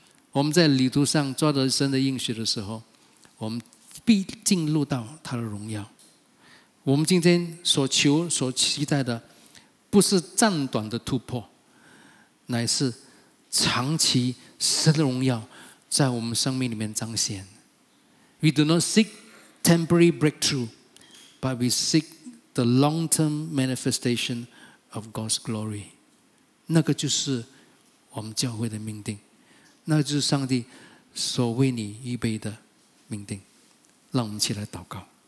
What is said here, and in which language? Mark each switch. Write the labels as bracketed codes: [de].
[zh] 我们在旅途上抓着神的应许的时候，我们必进入到他的荣耀。我们今天所求所期待的不是暂短的突破，乃是长期神的荣耀在我们生命里面彰显。 [en] We do not seek temporary breakthrough, but we seek the long-term manifestation of God's glory. [zh] 那个就是我们教会的命定，那就是上帝所为你预备的命定。让我们起来祷告。